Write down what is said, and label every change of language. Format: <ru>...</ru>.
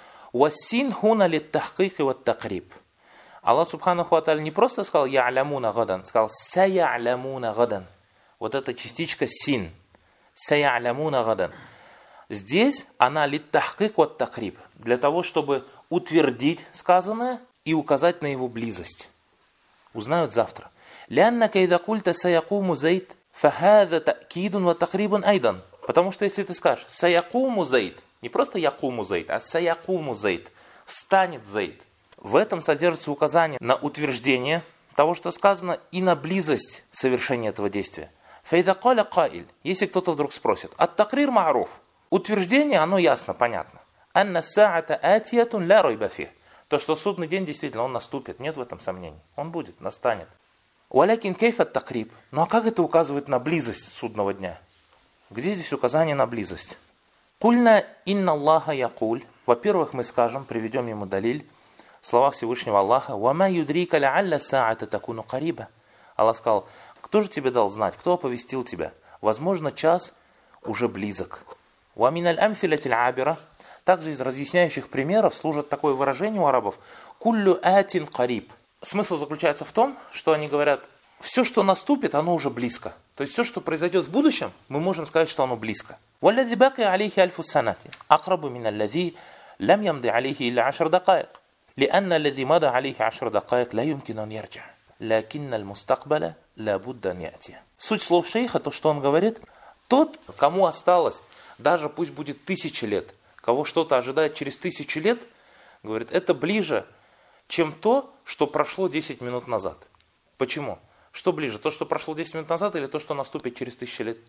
<ru>«Уассин хуна ли тахкихи ват такриб». Аллах Субханаху Ва Тааля не просто сказал «Я'ламуна гадан», сказал «Сая'ламуна гадан». Вот эта частичка «син». «Сая'ламуна гадан». Здесь она «ли тахкихи ват такриб». Для того, чтобы утвердить сказанное и указать на его близость. Узнают завтра.</ru> <ar>لأنك إذا قلت سيقوم زيد فهذا تأكيد وتقريب أيضا.</ar> <ru>Потому что если ты скажешь</ru> <ar>سيقوم زيد,</ar> <ru>не просто</ru> <ar>يقوم زيد,</ar> <ru>а سيقوم زيد, станет زيد. В этом содержится указание на утверждение того, что сказано, и на близость совершения этого действия.</ru> <ar>فإذا قال قائل,</ar> <ru>если кто-то вдруг спросит,</ru> <ar>التقرير معروف,</ar> <ru>утверждение, оно ясно, понятно.</ru> <ar>أن الساعة آتية لا ريب فيه,</ar> <ru>то, что судный день действительно, он наступит, нет в этом сомнений, он будет, настанет.</ru> <ar>ولكن كيف التقريب,</ar> <ru>ну а как это указывает на близость судного дня? Где здесь указание на близость?</ru> <ar>قلنا إن الله يقول,</ar> <ru>во-первых, мы скажем, приведем ему далиль, слова Всевышнего Аллаха,</ru> <ar>وَمَا يُدْرِيكَ لَعَلَّ السَّاعَةَ تَكُونُ قَرِيبًا.</ar> <ru>Аллах сказал, кто же тебе дал знать, кто оповестил тебя? Возможно, час уже близок.</ru> <ar>وَمِنَ الْأَمْثِلَةِ الْعَابِرَةِ.</ar> <ru>Также из разъясняющих примеров служит такое выражение у арабов,</ru> <ar>كُلُّ آتٍ قَرِيب.</ar> <ru>Смысл заключается в том, что они говорят, все, что наступит, оно уже близко. То есть все, что произойдет в будущем, мы можем сказать, что оно близко.</ru> <ar>وَالَّذِي بَقِيَ عَلَيْهِ أَلْفُ سَنَةٍ أَقْرَبُ مِنَ الَّذِي لَمْ يَمْضِ عَلَيْهِ إِلَّا عَشْرَ دَقَائِقَ لأن الذي مضى عليه عشر دقائق لا يمكن أن يرجع لكن المستقبل لابد أن يأتي.</ar> <ru>Суть слов шейха, то, что он говорит, тот, кому осталось, даже пусть будет тысяча лет, кого что-то ожидает через тысячу лет, говорит, это ближе, чем то, что прошло 10 минут назад. Почему? Что ближе, то, что прошло 10 минут назад, или то, что наступит через тысячу лет?</ru>